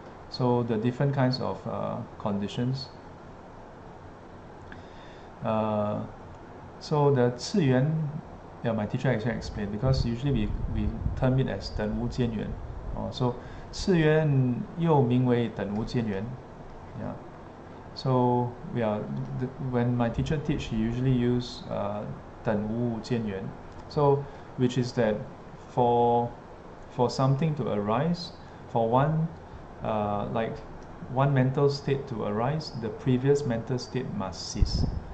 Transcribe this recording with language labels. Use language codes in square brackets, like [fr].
[en] So the different kinds of conditions. So the 次元, my teacher actually explained, because usually we term it as 等无间缘. [zh] So 次元又名为等无间缘. [en] So when my teacher teach, he usually use 等无间缘. So which is that for something to arise, for one like one mental state to arise, the previous mental state must cease.